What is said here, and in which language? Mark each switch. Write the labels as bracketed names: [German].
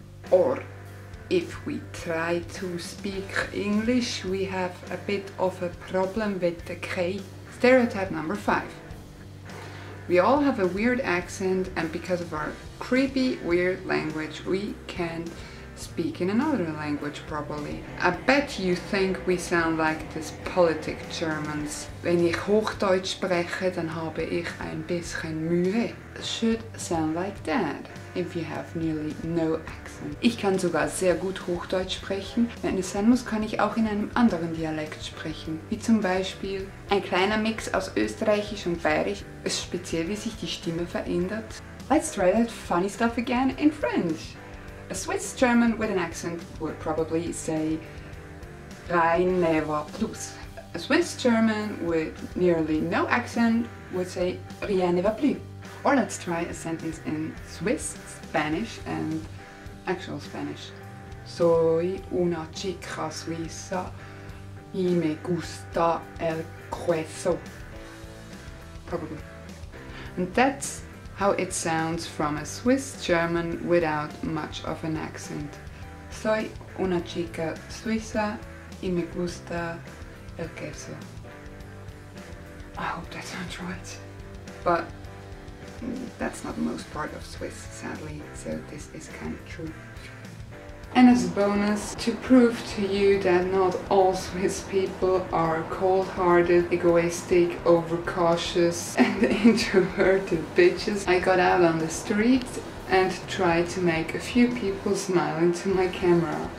[English] Or if we try to speak English, we have a bit of a problem with the K. Stereotype number five. We all have a weird accent and because of our creepy, weird language, we can't speak in another language properly. I bet you think we sound like this politic Germans. [German] Wenn ich Hochdeutsch spreche, dann habe ich ein bisschen Mühe. [English] Should sound like that, if you have nearly no accent. [German] Ich kann sogar sehr gut Hochdeutsch sprechen. Wenn es sein muss, kann ich auch in einem anderen Dialekt sprechen. Wie zum Beispiel ein kleiner Mix aus Österreichisch und Bayerisch. Es ist speziell, wie sich die Stimme verändert. [English] Let's try that funny stuff again in French. A Swiss German with an accent would probably say [French] Reine plus. [English] A Swiss German with nearly no accent would say [French] Rien va plus. [English] Or let's try a sentence in Swiss, Spanish and actual Spanish. [Spanish] Soy una chica suiza y me gusta el queso. [English] Probably. And that's how it sounds from a Swiss German without much of an accent. [Spanish] Soy una chica suiza y me gusta el queso. [English] I hope that's not right. But that's not the most part of Swiss, sadly, so this is kind of true. And as a bonus, to prove to you that not all Swiss people are cold-hearted, egoistic, overcautious, and introverted bitches, I got out on the street and tried to make a few people smile into my camera.